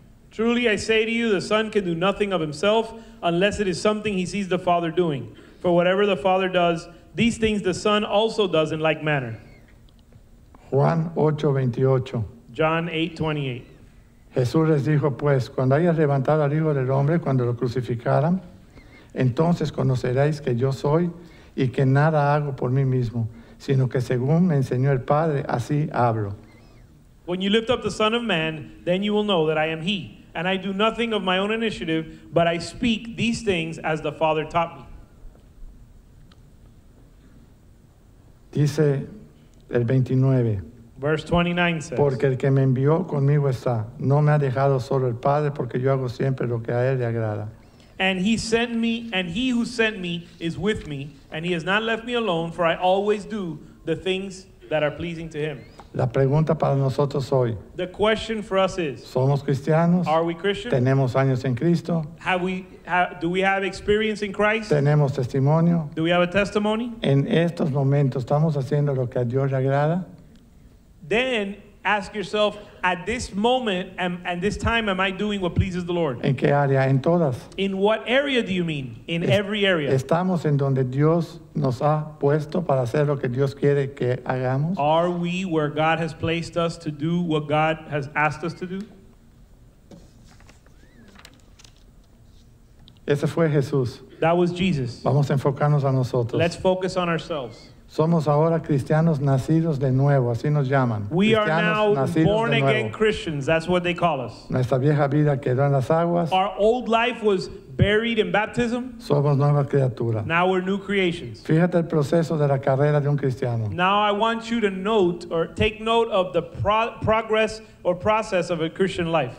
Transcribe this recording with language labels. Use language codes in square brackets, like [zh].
[en] Truly I say to you, the Son can do nothing of himself unless it is something he sees the Father doing. For whatever the Father does, these things the Son also does in like manner. [es] Juan 8:28. [en] John 8:28. [es] Jesús les dijo, pues, cuando hayas levantado al Hijo del Hombre, cuando lo crucificaran, entonces conoceréis que yo soy y que nada hago por mí mismo, sino que según me enseñó el Padre, así hablo. [en] When you lift up the Son of Man, then you will know that I am He, and I do nothing of my own initiative, but I speak these things as the Father taught me. [es] Dice el 29. [en] Verse 29 says, [es] porque el que me envió conmigo está, no me ha dejado solo el Padre, porque yo hago siempre lo que a él le agrada. [en] And he sent me, and he who sent me is with me, and he has not left me alone, for I always do the things that are pleasing to him. [es] La pregunta para nosotros hoy. [en] The question for us is, [es] ¿somos cristianos? [en] Are we Christian? [es] ¿Tenemos años en Cristo? [en] Do we have experience in Christ? [es] ¿Tenemos testimonio? [en] Do we have a testimony? [es] ¿En estos momentos estamos haciendo lo que a Dios le agrada? [en] Then ask yourself, at this moment and this time, am I doing what pleases the Lord? [es] ¿En qué área? ¿En todas? [en] In what area do you mean? In every area. [es] ¿Estamos en donde Dios nos ha puesto para hacer lo que Dios quiere que hagamos? [en] Are we where God has placed us to do what God has asked us to do? [es] Ese fue Jesús. [en] That was Jesus. [es] Vamos a enfocarnos a nosotros. [en] Let's focus on ourselves. [es] Somos ahora cristianos nacidos de nuevo, así nos llaman. [en] We are now born again Christians, that's what they call us. [es] Nuestra vieja vida quedó en las aguas. [en] Our old life was buried in baptism. [es] Somos nueva criatura. [en] Now we're new creations. [es] Fíjate el proceso de la carrera de un cristiano. [en] Now I want you to note or take note of the progress or process of a Christian life.